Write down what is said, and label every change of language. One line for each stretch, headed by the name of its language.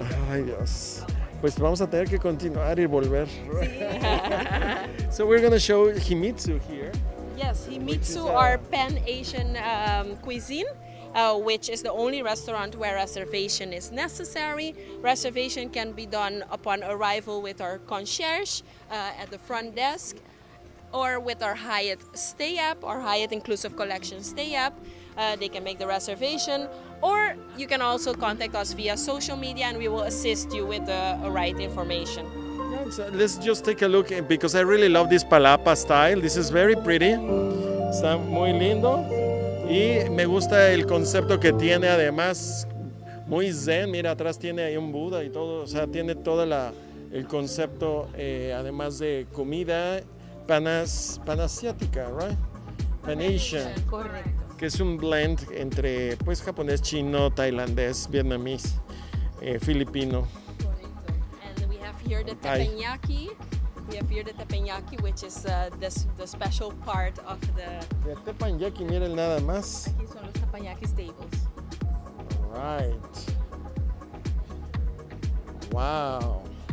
Spanish: Ay Dios, pues vamos a tener que continuar y volver. Sí.
English: So we're going to show Himitsu here. Yes, Himitsu, our pan-Asian cuisine, which is the only restaurant where reservation is necessary. Reservation can be done upon arrival with our concierge at the front desk or with our Hyatt Stay App, our Hyatt Inclusive Collection Stay App. They can make the reservation, or you can also contact us via social media and we will assist you with the right information. So let's just take a look, because I really love this palapa style. This is very pretty.
Spanish: Está muy lindo. Y me gusta el concepto que tiene, además, muy zen. Mira, atrás tiene ahí un Buda y todo. O sea, tiene todo el concepto, además de comida, panasiática, right?
English: Pan-Asian.
Spanish: Correcto. Que es un blend entre pues japonés, chino, tailandés, vietnamés, filipino.
English: And we have here the teppanyaki. We have here the teppanyaki, which is the special part of the...
Spanish: The teppanyaki, miren nada más. Aquí son los teppanyaki tables.
English: Right. Wow.